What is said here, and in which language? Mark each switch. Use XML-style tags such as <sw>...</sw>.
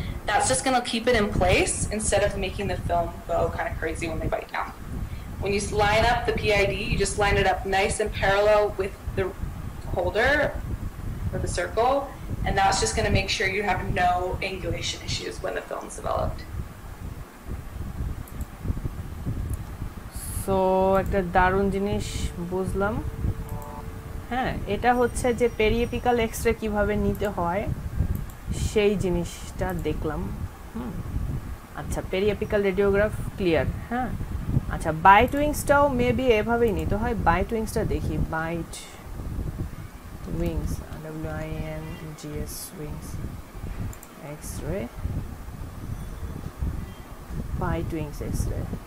<en>That's just going to keep it in place instead of making the film go kind of crazy when they bite down. When you line up the PID, you just line it up nice and parallel with the holder or the circle. And that's just going to make sure you have no angulation issues when the film's developed.</en> <bn>So, একটা দারুন জিনিস বুঝলাম। হ্যাঁ, এটা হচ্ছে যে পেরিএপিকাল x-ray কিভাবে নিতে হয় সেই জিনিসটা দেখলাম। আচ্ছা, পেরিএপিকাল রেডিওগ্রাফ ক্লিয়ার। হ্যাঁ, আচ্ছা, বাইট উইংসটাও মেবি এভাবেই নিতে হয়। বাইট উইংসটা দেখি।</bn> <en>Bite wings, WIN GS wings x-ray, bite wings x-ray.</en>